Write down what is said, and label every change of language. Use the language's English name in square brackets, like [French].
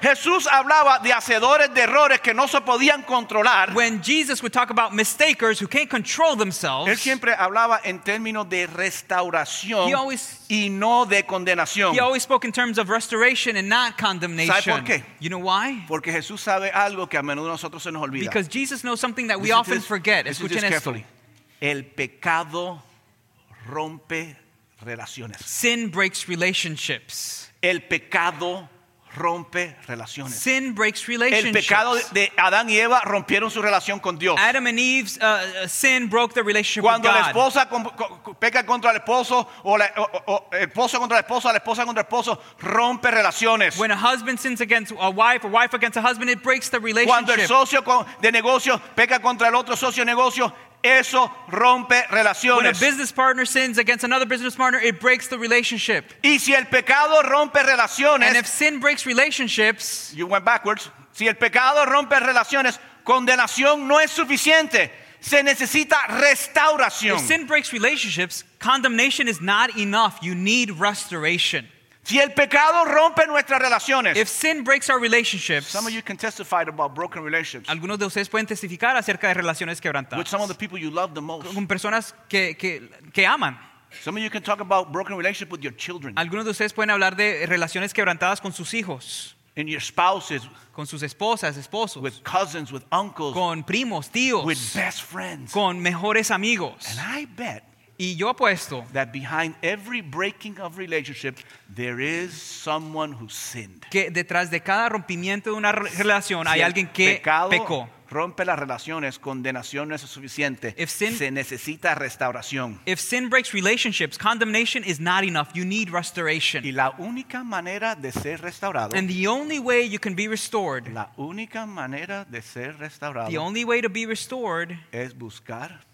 [Spanish] Jesús hablaba de hacedores de errores que no se podían controlar, [English] when Jesus would talk about mistakers who can't control themselves, [Spanish] él siempre hablaba en términos de restauración. [English] He always, [Spanish] y no de condenación. [English] He always spoke in terms of restoration and not condemnation. [Spanish] ¿Sabe por qué? [English] You know why? [Spanish] Porque Jesús sabe algo que a menudo nosotros se nos olvida. [English] Because Jesus knows something that we often forget. [Spanish] Escuchen esto. El pecado rompe relaciones. [English] Sin breaks relationships. [Spanish] El pecado rompe relaciones. [English] Sin breaks relationships. [Spanish] El pecado de Adán y Eva rompieron su relación con Dios. [English] Adam and Eve's sin broke their relationship [Spanish] cuando [English] with God. [Spanish] Cuando la esposa peca contra el esposo o esposo contra la esposa, la esposa contra el esposo, rompe relaciones. [English] When a husband sins against a wife or wife against a husband, it breaks the relationship. [Spanish] Cuando el socio de negocio peca contra el otro socio de negocio, eso rompe relaciones. [English] When a business partner sins against another business partner, it breaks the relationship. [Spanish] Y si el pecado rompe relaciones, [English] and if sin breaks relationships, you went backwards. [Spanish] Si el pecado rompe relaciones, condenación no es suficiente. Se necesita restauración. [English] If sin breaks relationships, condemnation is not enough. You need restoration. [Spanish] Si el pecado rompe nuestras relaciones, [English] if sin breaks our relationships, some of you can testify about broken relationships. [Spanish] Algunos de ustedes pueden testificar acerca de relaciones quebrantadas. [English] With some of the people you love the most. [Spanish] Con personas que aman. [English] Some of you can talk about broken relationship with your children. [Spanish] Algunos de ustedes pueden hablar de relaciones quebrantadas con sus hijos. [English] And your spouses, [Spanish] con sus esposas, esposos, [English] with cousins, with uncles, [Spanish] con primos, tíos, [English] with best friends, [Spanish] con mejores amigos. [English] And I bet, [Spanish] y yo apuesto, [English] that behind every breaking of relationship, there is someone who sinned. [Spanish] Que detrás de cada rompimiento de una relación hay alguien que pecó. Rompe las relaciones, condenación no es suficiente. Se necesita restauración. [English] If sin breaks relationships, condemnation is not enough. You need restoration. [Spanish] Y la única manera de ser restaurado. [English] And the only way you can be restored. [Spanish] La única manera de ser restaurado. [English] The only way to be restored. [Spanish] Es buscar.